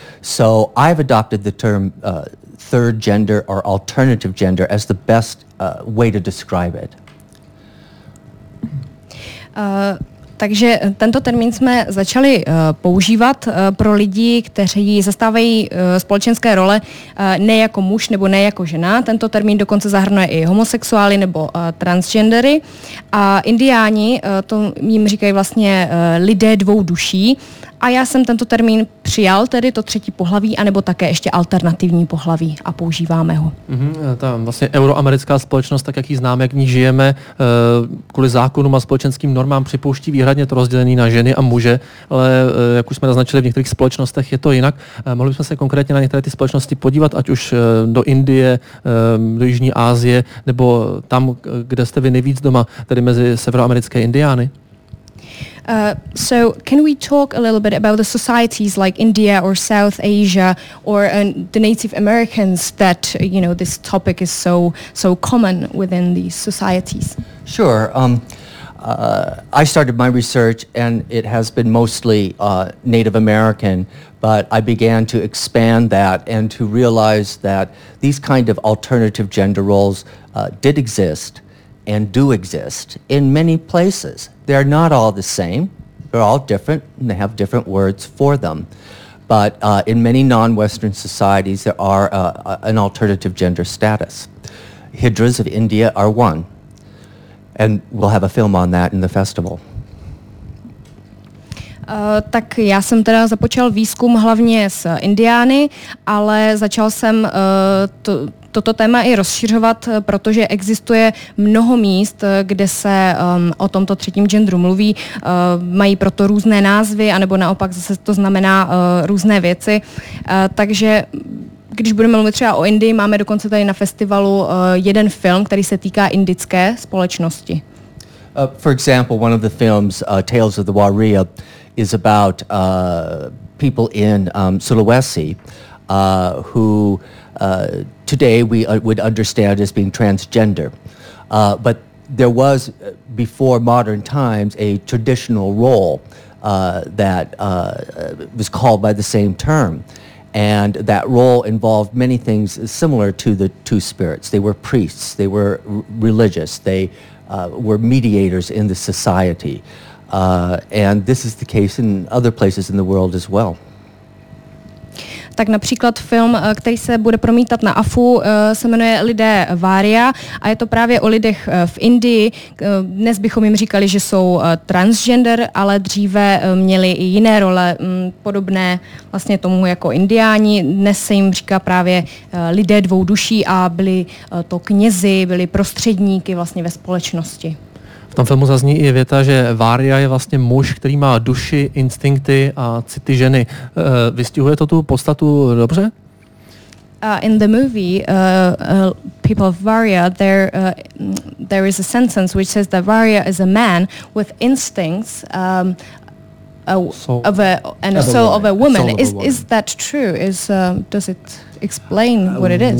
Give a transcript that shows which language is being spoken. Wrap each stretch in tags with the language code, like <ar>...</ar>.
<en>So I've adopted the term third gender or alternative gender as the best way to describe it.</en> <cs>Takže tento termín jsme začali používat pro lidi, kteří zastávají společenské role ne jako muž nebo ne jako žena. Tento termín dokonce zahrnuje i homosexuály nebo transgendery. A indiáni, to jim říkají vlastně lidé dvou duší, A já jsem tento termín přijal, tedy to třetí pohlaví, anebo také ještě alternativní pohlaví a používáme ho. Mm-hmm, ta vlastně euroamerická společnost, tak jak ji znám, jak v ní žijeme, kvůli zákonům a společenským normám připouští výhradně to rozdělení na ženy a muže, ale jak už jsme naznačili, v některých společnostech je to jinak. Mohli bychom se konkrétně na některé ty společnosti podívat, ať už do Indie, do Jižní Asie, nebo tam, kde jste vy nejvíc doma, tedy mezi severoamerické Indiány?</cs> <en>So can we talk a little bit about the societies like India or South Asia or the Native Americans that, you know, this topic is so common within these societies? Sure. I started my research and it has been mostly Native American, but I began to expand that and to realize that these kind of alternative gender roles did exist and do exist in many places. They're not all the same. They're all different, and they have different words for them. But in many non-Western societies, there are an alternative gender status. Hijras of India are one. And we'll have a film on that in the festival.</en> <cs>Tak já jsem teda započal výzkum hlavně s Indiány, ale začal jsem toto téma i rozšiřovat, protože existuje mnoho míst, kde se o tomto třetím genderu mluví, mají proto různé názvy, anebo naopak zase to znamená různé věci. Takže když budeme mluvit třeba o Indii, máme dokonce tady na festivalu jeden film, který se týká indické společnosti.</cs> <en>For example, one of the films, Tales of the Warrior, is about people in Sulawesi who today we would understand as being transgender. But there was, before modern times, a traditional role that was called by the same term. And that role involved many things similar to the two spirits. They were priests, they were religious, they were mediators in the society. And this is the case in other places in the world as well.</en> <cs>Tak například film, který se bude promítat na AFU, se jmenuje Lidé Varia a je to právě o lidech v Indii. Dnes bychom jim říkali, že jsou transgender, ale dříve měli i jiné role, podobné vlastně tomu jako Indiáni. Dnes se jim říká právě lidé dvou duší a byli to knězi, byli prostředníky vlastně ve společnosti. V tom filmu zazní i věta, že Varia je vlastně muž, který má duši, instinkty a city ženy. Vystihuje to tu podstatu dobře?</cs> <en>In the movie, people of Varia, there is a sentence which says that Varia is a man with instincts of a soul of a woman. Is that true? Does it explain what it is?</en>